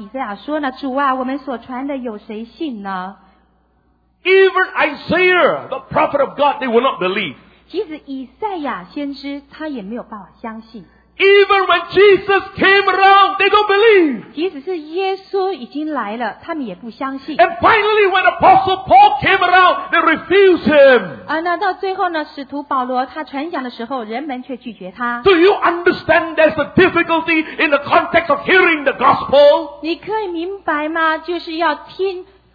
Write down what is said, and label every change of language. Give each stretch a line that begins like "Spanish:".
Chinese: 那因为呢，以色列百姓他们太遵守了他们原先所接受的摩西的戒律，以至于呢，他们就没有办法去真实领受从神来的信息。以赛亚书里面呢，以赛亚他就谈到说，在罗马书的第10章，以赛亚说呢，主啊，我们所传的有谁信呢？
English: Even Isaiah, the prophet of God, they will not believe.
Chinese: 即使以赛亚先知，他也没有办法相信。
English: Even when Jesus came around, they don't believe.
Chinese: 即使是耶稣已经来了，他们也不相信。
English: And finally, when Apostle Paul came around, they refused him.
Chinese: 那到最后呢，使徒保罗他传讲的时候，人们却拒绝他。
English: Do you understand there's a difficulty in the context of hearing the gospel?
Chinese: 你可以明白吗？就是要听。